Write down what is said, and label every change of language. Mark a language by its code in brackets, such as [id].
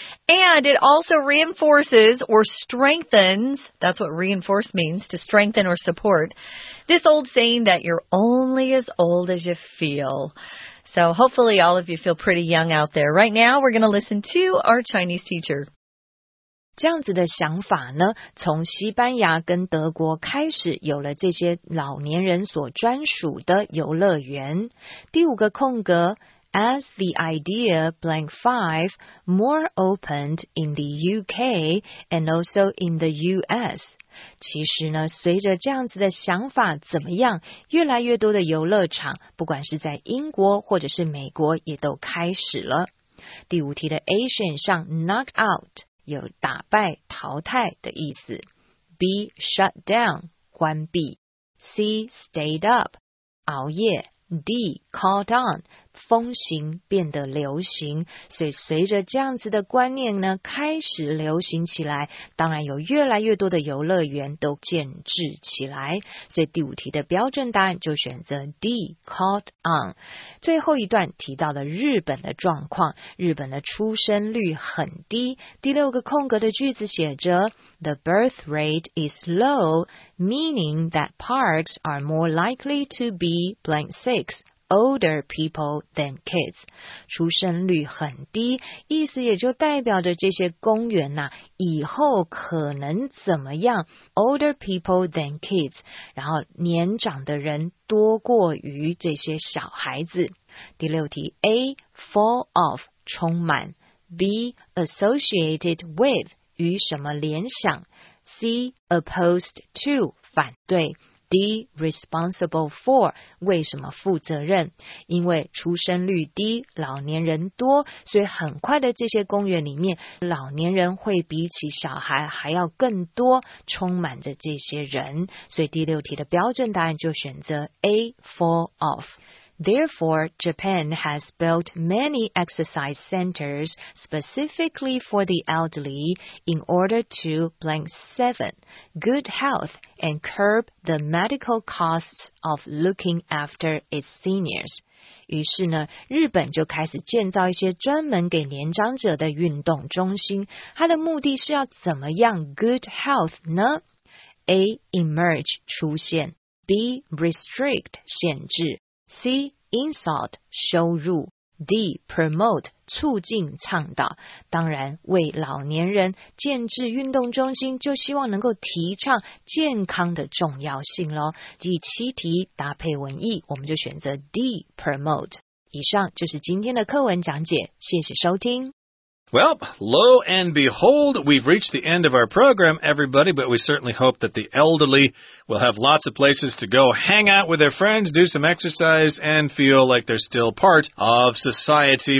[en] And it also reinforces or strengthens, that's what reinforce means, to strengthen or support, this old saying that you're only as old as you feel. So hopefully all of you feel pretty young out there. Right now, we're going to listen to our Chinese teacher. [zh] 这样子的想法呢，从西班牙跟德国开始有了这些老年人所专属的游乐园。第五个空格 [en] ,As the idea blank five more opened in the UK and also in the US. [zh] 其实呢，随着这样子的想法怎么样，越来越多的游乐场，不管是在英国或者是美国，也都开始了。第五题的 A 选项 knock out 有打败、淘汰的意思 ，B shut down 关闭 ，C stayed up 熬夜 ，D caught on 风行变得流行。所以随着这样子的观念呢，开始流行起来，当然有越来越多的游乐园都建制起来。所以第五题的标准答案就选择 D caught on。最后一段提到了日本的状况，日本的出生率很低。第六个空格的句子写着 [en] ：The birth rate is low, meaning that parks are more likely to be blank six. Older people than kids. [zh] 出生率很低，意思也就代表着这些公园呐，以后可能怎么样 ？Older people than kids. 然后年长的人多过于这些小孩子。第六题 ，A full of 充满 ，B associated with 与什么联想 ，C opposed to 反对。 D responsible for 为什么负责任？因为出生率低，老年人多，所以很快的这些公园里面，老年人会比起小孩还要更多，充满着这些人。所以第六题的标准答案就选择 A full of。 [en] Therefore, Japan has built many exercise centers specifically for the elderly in order to blank seven, good health, and curb the medical costs of looking after its seniors. [zh] 于是呢，日本就开始建造一些专门给年长者的运动中心。它的目的是要怎么样 good health 呢？A. Emerge 出现 B. Restrict 限制C. Insult, 羞辱 D. Promote, 促进倡导当然为老年人建制运动中心就希望能够提倡健康的重要性咯第七题搭配文意我们就选择 D. Promote 以上就是今天的课文讲解谢谢收听 [en] Well, lo and behold, we've reached the end of our program, everybody, but we certainly hope that the elderly will have lots of places to go hang out with their friends, do some exercise, and feel like they're still part of society.